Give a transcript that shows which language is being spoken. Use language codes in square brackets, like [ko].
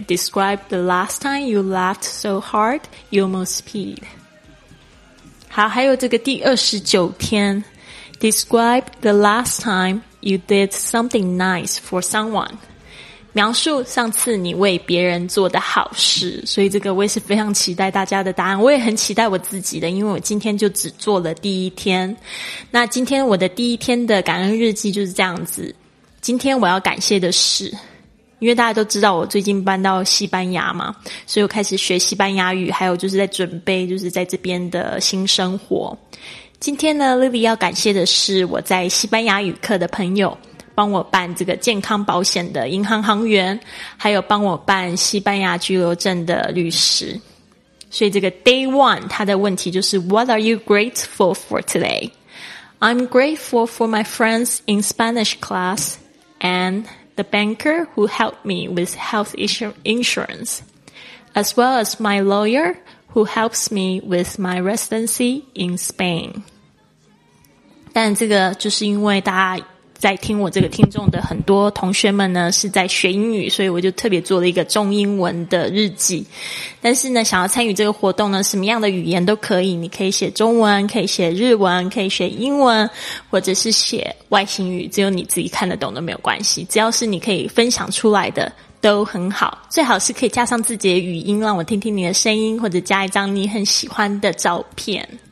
[en] Describe the last time you laughed so hard, you almost peed. [zh] 好，还有这个第29天。 [en] Describe the last time you did something nice for someone. [zh] 描述上次你为别人做的好事，所以这个我也是非常期待大家的答案，我也很期待我自己的，因为我今天就只做了第一天。那今天我的第一天的感恩日记就是这样子，今天我要感谢的是，因为大家都知道我最近搬到西班牙嘛，所以我开始学西班牙语，还有就是在准备就是在这边的新生活。今天呢 Lily 要感谢的是我在西班牙语课的朋友，帮我办这个健康保险的银行行员，还有帮我办西班牙居留证的律师。所以这个 day one 他的问题就是 [en] What are you grateful for today? I'm grateful for my friends in Spanish class and the banker who helped me with health insurance, as well as my lawyer who helps me with my residency in Spain. [zh] 但这个就是因为大家在听我这个听众的很多同学们呢是在学英语，所以我就特别做了一个中英文的日记。但是呢想要参与这个活动呢，什么样的语言都可以，你可以写中文，可以写日文，可以写英文，或者是写外星语，只有你自己看得懂都没有关系，只要是你可以分享出来的都很好，最好是可以加上自己的语音让我听听你的声音，或者加一张你很喜欢的照片。